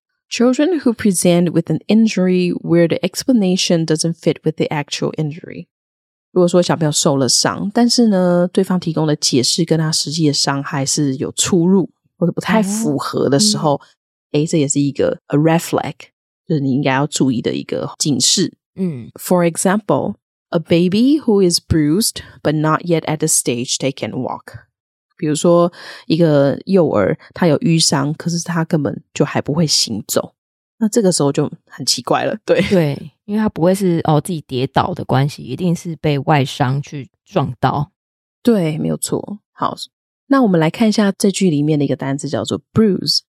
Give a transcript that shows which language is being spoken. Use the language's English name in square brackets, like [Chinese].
[English] Children who present with an injury where the explanation doesn't fit with the actual injury. [Chinese] 如果说小朋友受了伤，但是呢，对方提供的解释跟他实际的伤害是有出入，或者不太符合的时候，这也是一个 [English] a red flag， [Chinese] 就是你应该要注意的一个警示。 [English] For example, a baby who is bruised but not yet at the stage they can walk. [Chinese] 比如说一个幼儿他有瘀伤，可是他根本就还不会行走，那这个时候就很奇怪了。对对，因为他不会是自己跌倒的关系，一定是被外伤去撞到。对，没有错。好，那我们来看一下这句里面的一个单字叫做 bruise。